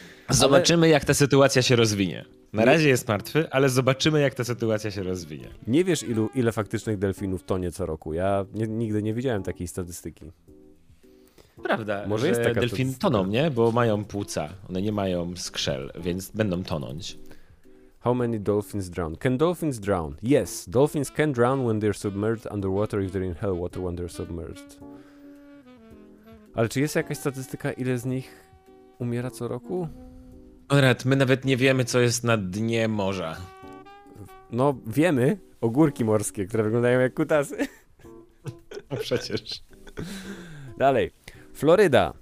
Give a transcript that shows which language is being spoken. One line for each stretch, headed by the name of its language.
Polish: Zobaczymy, ale... jak ta sytuacja się rozwinie. Na razie jest martwy, ale zobaczymy, jak ta sytuacja się rozwinie. Nie wiesz, ile faktycznych delfinów tonie co roku. Ja nigdy nie widziałem takiej statystyki. Prawda, może jest taka delfiny toną, nie? Bo mają płuca, one nie mają skrzel, więc będą tonąć.
English: How many dolphins drown? Can dolphins drown? Yes, dolphins can drown when they're submerged underwater if they're in hell water when they're submerged.
Polish: Ale czy jest jakaś statystyka, ile z nich umiera co roku? Konrad, my nawet nie wiemy, co jest na dnie morza. No, wiemy. Ogórki morskie, które wyglądają jak kutasy. Przecież. Dalej. Floryda.